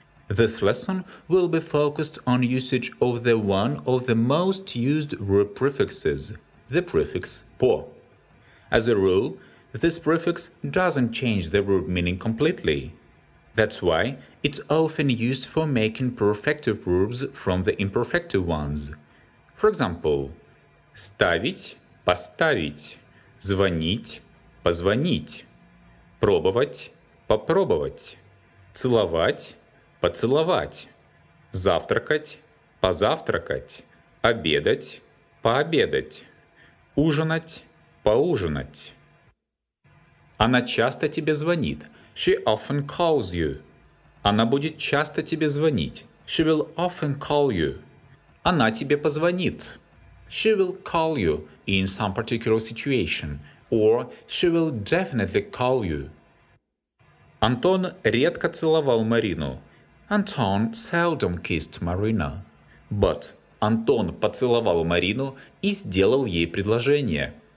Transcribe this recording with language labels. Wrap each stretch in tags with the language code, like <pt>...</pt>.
<en>This lesson will be focused on usage of the one of the most used verb prefixes, the prefix po. As a rule, this prefix doesn't change the verb meaning completely. That's why it's often used for making perfective verbs from the imperfective ones. For example,</en> <ru>ставить – поставить, звонить – позвонить, пробовать – попробовать, целовать – поцеловать, завтракать – позавтракать, обедать – пообедать, ужинать – поужинать. Она часто тебе звонит.</ru> <en>She often calls you.</en> <ru>Она будет часто тебе звонить.</ru> <en>She will often call you.</en> <ru>Она тебе позвонит.</ru> <en>She will call you in some particular situation. Or she will definitely call you.</en> <ru>Антон редко целовал Марину.</ru> <en>Anton seldom kissed Marina. But</en> <ru>Антон поцеловал Марину и сделал ей предложение.</ru>